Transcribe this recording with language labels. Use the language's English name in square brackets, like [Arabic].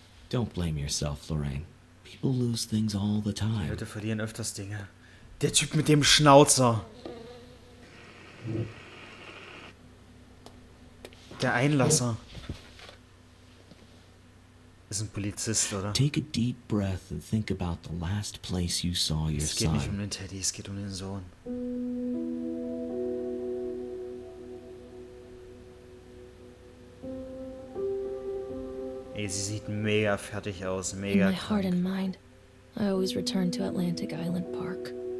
[English] Don't blame yourself, Lorraine. People lose things all the time. [German] Die Leute verlieren öfters Dinge. Der Typ mit dem Schnauzer. Der Einlasser. Ist ein Polizist, oder? [English] Take a deep breath and think about the last place you saw your son. [German] Es geht nicht um den Teddy, es geht um den Sohn. Ey, sie sieht mega fertig aus, mega krank. [English] In my heart and mind, I always return to Atlantic Island Park.